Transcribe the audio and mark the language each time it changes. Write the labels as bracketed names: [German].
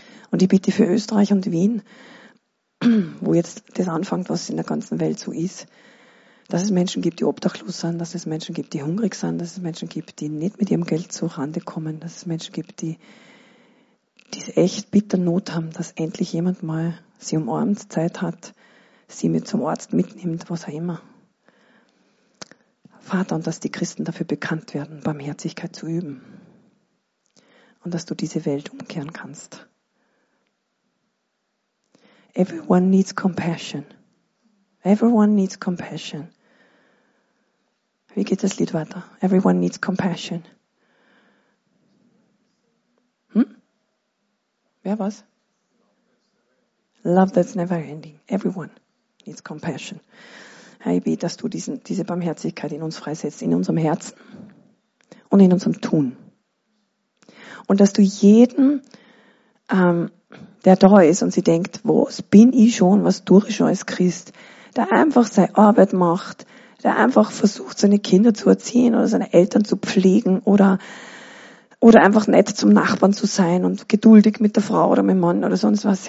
[German] Und ich bitte für Österreich und Wien, wo jetzt das anfängt, was in der ganzen Welt so ist, dass es Menschen gibt, die obdachlos sind, dass es Menschen gibt, die hungrig sind, dass es Menschen gibt, die nicht mit ihrem Geld zu Rande kommen, dass es Menschen gibt, die echt bitter Not haben, dass endlich jemand mal sie umarmt, Zeit hat, sie mit zum Arzt mitnimmt, was auch immer. Vater, und dass die Christen dafür bekannt werden, Barmherzigkeit zu üben. Und dass du diese Welt umkehren kannst. [English] Everyone needs compassion. Everyone needs compassion. [German] Wie geht das Lied weiter? [English] Everyone needs compassion. [German] Wer was? [English] Love that's never ending. Everyone needs compassion. [German] Herr, ich bete, dass du diese Barmherzigkeit in uns freisetzt, in unserem Herzen und in unserem Tun. Und dass du jeden, der da ist und sie denkt, was bin ich schon, was tue ich schon als Christ, der einfach seine Arbeit macht, der einfach versucht, seine Kinder zu erziehen oder seine Eltern zu pflegen oder einfach nett zum Nachbarn zu sein und geduldig mit der Frau oder mit dem Mann oder sonst was.